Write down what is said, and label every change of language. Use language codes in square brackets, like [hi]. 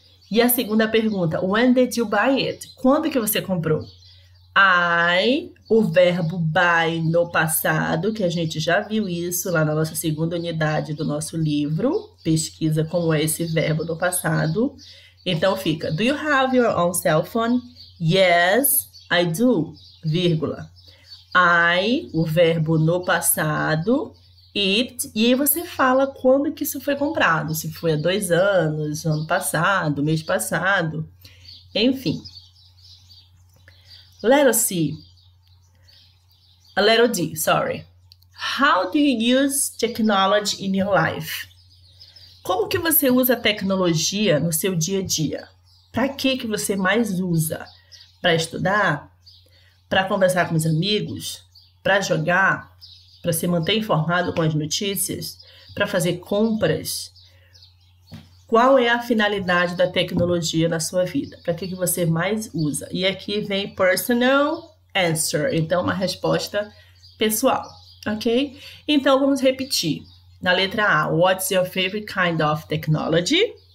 [pt] E a segunda pergunta, [en] when did you buy it? [pt] Quando que você comprou? I, o verbo buy no passado, que a gente já viu isso lá na nossa segunda unidade do nosso livro, pesquisa como é esse verbo no passado. Então, fica, [en] do you have your own cell phone? Yes, I do, [pt] vírgula. I, o verbo no passado, it, e aí você fala quando que isso foi comprado, se foi há 2 anos, ano passado, mês passado, enfim. [en] Letter C, a letter D, sorry. How do you use technology in your life? [pt] Como que você usa a tecnologia no seu dia a dia? Para que você mais usa? Para estudar? Para conversar com os amigos? Para jogar, para se manter informado com as notícias, para fazer compras. Qual é a finalidade da tecnologia na sua vida? Para que você mais usa? E aqui vem [en] personal answer, [pt] então uma resposta pessoal, ok? Então vamos repetir. Na letra A, [en] what's your favorite kind of technology?